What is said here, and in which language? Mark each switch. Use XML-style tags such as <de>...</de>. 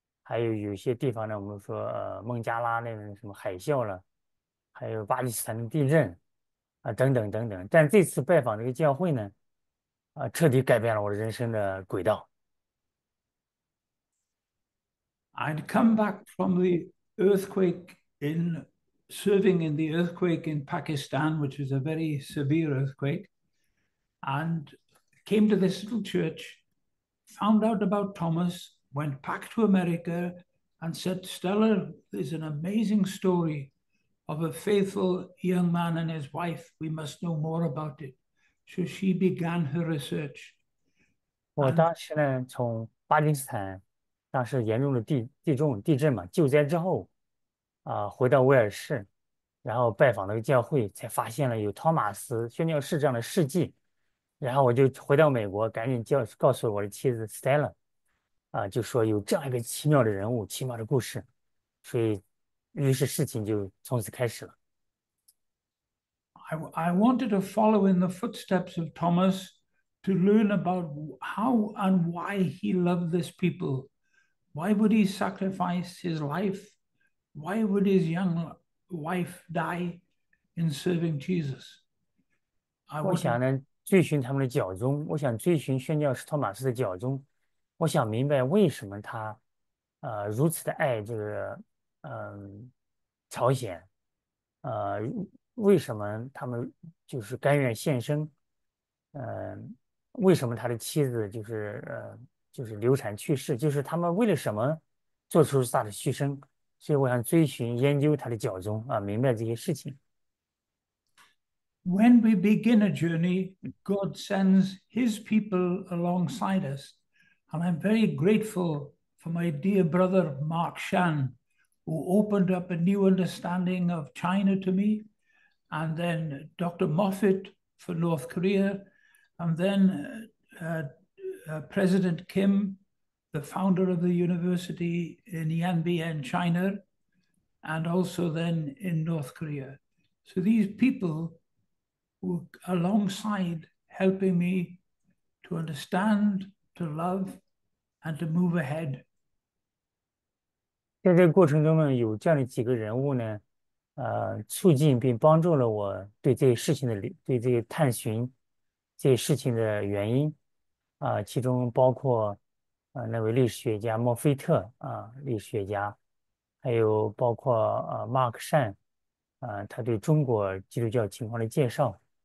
<zh>还有有些地方呢，我们说孟加拉那种什么海啸了，还有巴基斯坦的地震啊，等等等等。但这次拜访这个教会呢，彻底改变了我的人生的轨道。</zh> <en>I'd come back from the earthquake in serving in the earthquake in Pakistan, which was a very severe earthquake, and came to this little church, found out about Thomas. Went back to America and said, Stella, there's an amazing story of a faithful young man and his wife. We must know more about it. So she began her research.</en> <zh>我当时呢，从巴基斯坦，当时严重的地震嘛，救灾之后，回到威尔士，然后拜访那个教会，才发现了有托马斯宣教士这样的事迹。然后我就回到美国，赶紧告诉我的妻子 Stella。啊，就说有这样一个奇妙的人物，奇妙的故事，所以，于是事情就从此开始了。</zh> <en>I wanted to follow in the footsteps of Thomas to learn about how and why he loved this people. Why would he sacrifice his life? Why would his young wife die in serving Jesus? I want</en> <zh>我想呢，追寻他们的脚踪，我想追寻宣教士托马斯的脚踪。我想明白为什么他，如此的爱这个，朝鲜，为什么他们就是甘愿献身，为什么他的妻子就是就是流产去世，就是他们为了什么做出大的牺牲？所以我想追寻研究他的脚踪啊，明白这些事情。</zh> <en>When we begin a journey, God sends his people alongside us. And I'm very grateful for my dear brother, Mark Shan, who opened up a new understanding of China to me, and then Dr. Moffat for North Korea, and then President Kim, the founder of the university in Yanbian, China, and also then in North Korea. So these people were alongside helping me to understand, to love, and to move ahead.</en> <zh>在这个过程中呢，有这样的几个人物呢，促进并帮助了我对这些事情的对这些探寻这些事情的原因，其中包括那位历史学家墨菲特历史学家，还有包括马克善他对中国基督教情况的介绍。</zh>